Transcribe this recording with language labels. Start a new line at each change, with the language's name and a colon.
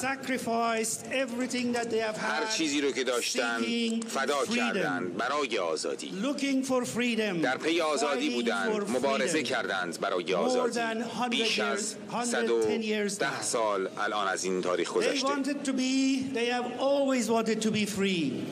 English: They have sacrificed everything that they have had.
Persian: هر چیزی رو که داشتند، فدا کردند برای آزادی.
English: Looking for freedom.
Persian: در پی آزادی بودند، مبارزه کردند برای آزادی. بیش از 110 years. الان از این تاریخ گذشته.
English: They have always wanted to be free.